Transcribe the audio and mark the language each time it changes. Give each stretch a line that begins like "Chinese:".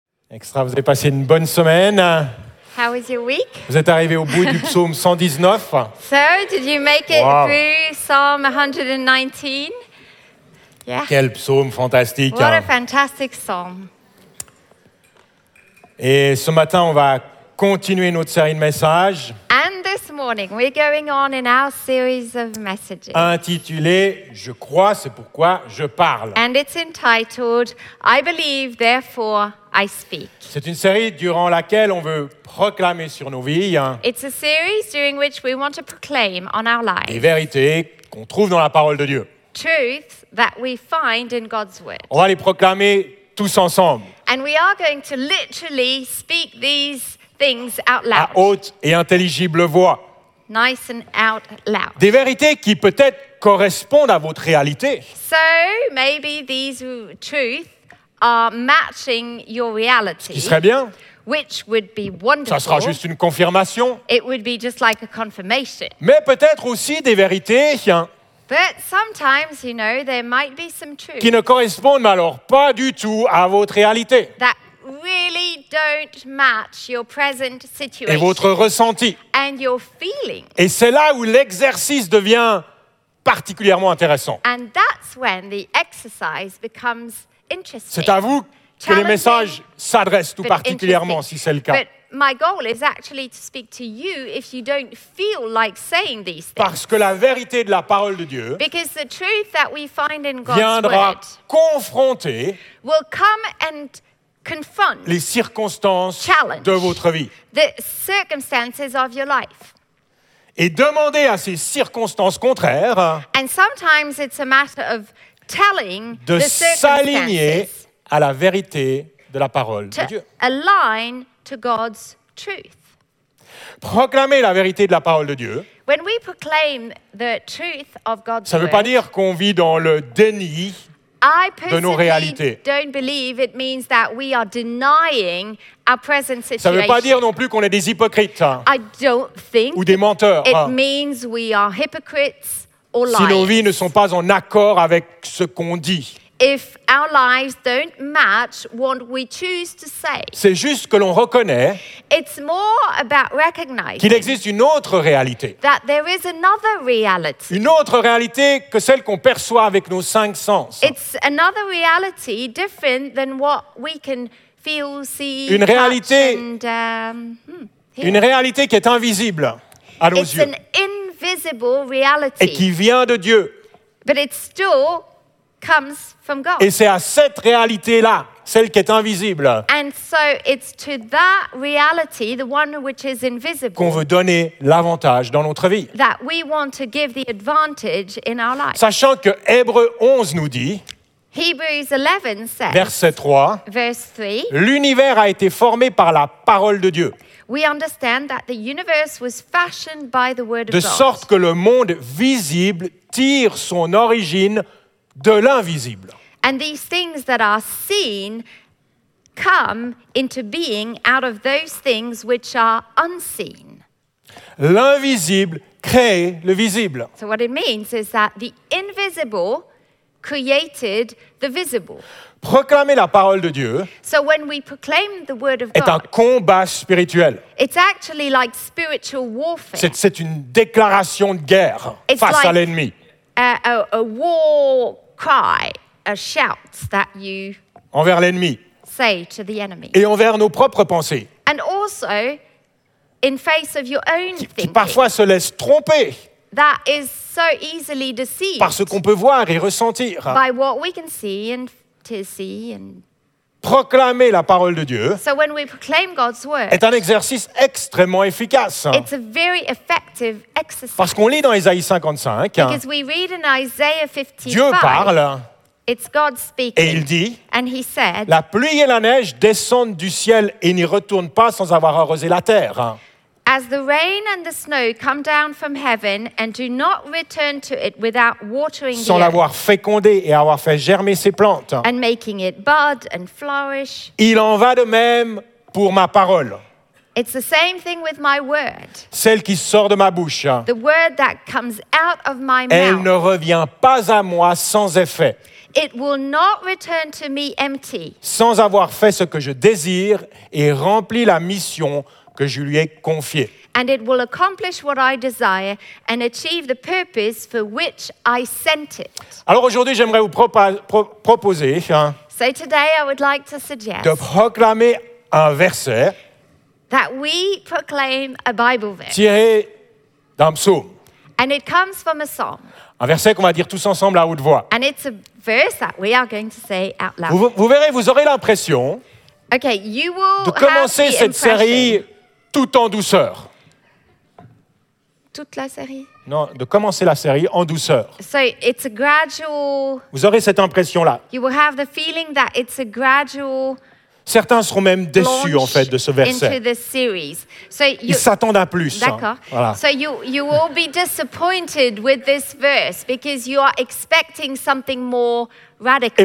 French: Extra, vous avez passé une bonne semaine.
English: How was your week?
French: Vous êtes arrivé au bout du psaume 119.
English: So, did you make it through Psalm 119? Yeah.
French: Quel psaume fantastique.
English: What a fantastic psalm.
French: Et ce matin, on va continuer notre série de messages.
English: And this morning, we're going on in our series of messages.
French: Intitulé « Je crois, c'est pourquoi je parle ».
English: And it's entitled « I believe, therefore I speak ».
French: C'est une série durant laquelle on veut proclamer sur nos vies.
English: It's a series during which we want to proclaim on our lives.
French: Les vérités qu'on trouve dans la parole de Dieu.
English: Truths that we find in God's word.
French: On va les proclamer tous ensemble.
English: And we are going to literally speak these things out loud.
French: À haute et intelligible voix.
English: Nice and out loud.
French: Des vérités qui peut-être correspondent à votre réalité.
English: So maybe these truths are matching your reality.
French: Ce qui serait bien.
English: Which would be wonderful.
French: Ça sera juste une confirmation.
English: It would be just like a confirmation.
French: Mais peut-être aussi des vérités.
English: But sometimes, you know, there might be some truths.
French: Qui ne correspondent alors pas du tout à votre réalité.
English: That really don't match your present situation.
French: Et votre ressenti.
English: And your feeling.
French: Et c'est là où l'exercice devient particulièrement intéressant.
English: And that's when the exercise becomes interesting.
French: C'est à vous que les messages s'adressent tout particulièrement, si c'est le cas.
English: But my goal is actually to speak to you if you don't feel like saying these things.
French: Parce que la vérité de la parole de Dieu
English: because the truth that we find in God's
French: viendra
English: word
French: confronter
English: will come and confront
French: les circonstances de votre vie.
English: The circumstances of your life.
French: Et demander à ces circonstances contraires
English: and sometimes it's a matter of telling
French: de s'aligner à la vérité de la parole de Dieu.
English: Align to God's truth.
French: Proclamer la vérité de la parole de Dieu.
English: When we proclaim the truth of God's
French: ça ne veut pas dire qu'on vit dans le déni de nos réalités.
English: I don't believe it means that we are denying our present situation.
French: Ça ne veut pas dire non plus qu'on est des hypocrites.
English: I don't think
French: ou des menteurs.
English: It means we are hypocrites or liars.
French: Si nos vies ne sont pas en accord avec ce qu'on dit.
English: If our lives don't match what we choose to say,
French: c'est juste que l'on reconnaît
English: it's more about recognizing
French: qu'il existe une autre réalité.
English: That there is another reality.
French: Une autre réalité que celle qu'on perçoit avec nos cinq sens.
English: It's another reality different than what we can feel, see,
French: une réalité,
English: touch and
French: une réalité qui est invisible à nos
English: it's
French: yeux.
English: An invisible reality.
French: Et qui vient de Dieu.
English: But it's still comes from God.
French: Et c'est à cette réalité-là, celle qui est invisible,
English: and so it's to that reality, the one which is invisible,
French: qu'on veut donner l'avantage dans notre vie.
English: That we want to give the advantage in our life.
French: Sachant que Hébreux 11 nous dit,
English: Hebrews 11 says,
French: verset 3,
English: verse 3,
French: l'univers a été formé par la parole de Dieu.
English: We understand that the universe was fashioned by the word of
French: de
English: God.
French: De sorte que le monde visible tire son origine de l'invisible.
English: And these things that are seen come into being out of those things which are unseen.
French: L'invisible crée le visible.
English: So what it means is that the invisible created the visible.
French: Proclamer la parole de Dieu
English: so when we proclaim the word of God,
French: est un combat spirituel.
English: It's actually like spiritual warfare.
French: C'est une déclaration de guerre
English: it's
French: face
English: like
French: à l'ennemi.
English: A war cry, a shout that you
French: envers l'ennemi
English: say to the enemy.
French: Et envers nos propres pensées.
English: And also in face of your own
French: qui
English: thinking.
French: Qui parfois se laisse tromper.
English: That is so easily deceived.
French: Par ce qu'on peut voir et ressentir.
English: By what we can see and to see and
French: proclamer la parole de Dieu
English: so when we proclaim God's word,
French: est un exercice extrêmement efficace.
English: It's a very effective exercise.
French: Parce qu'on lit dans Isaïe 55,
English: because we read in Isaiah 55,
French: Dieu parle,
English: it's God speaking,
French: et il dit,
English: and he said,
French: la pluie et la neige descendent du ciel et n'y retournent pas sans avoir arrosé la terre.
English: As the rain and the snow come down from heaven and do not return to it without watering
French: sans l'avoir fécondé et avoir fait germer ses plantes.
English: And making it bud and flourish.
French: Il en va de même pour ma parole.
English: It's the same thing with my word.
French: Celle qui sort de ma bouche.
English: The word that comes out of my
French: elle
English: mouth.
French: Elle ne revient pas à moi sans effet.
English: It will not return to me empty.
French: Sans avoir fait ce que je désire et rempli la mission que je lui ai confiée.
English: And it will accomplish what I desire and achieve the purpose for which I sent it.
French: Alors aujourd'hui, j'aimerais vous proposer
English: So today I would like to suggest
French: de proclamer un verset
English: that we proclaim a Bible verse.
French: Tiré d'un psaume.
English: And it comes from a psalm.
French: Un verset qu'on va dire tous ensemble à haute voix.
English: And it's a verse that we are going to say out loud.
French: Vous verrez, vous aurez l'impression
English: okay, you will
French: de commencer
English: have
French: cette série tout en douceur. Toute la série? Non, de commencer la série en douceur.
English: So it's a gradual.
French: Vous aurez cette impression-là.
English: You will have the feeling that it's a gradual.
French: Certains seront même déçus en fait de ce verset.
English: Into the series. So
French: ils s'attendent à plus. D'accord. Hein. Voilà.
English: So you will be disappointed with this verse because you are expecting something more radical.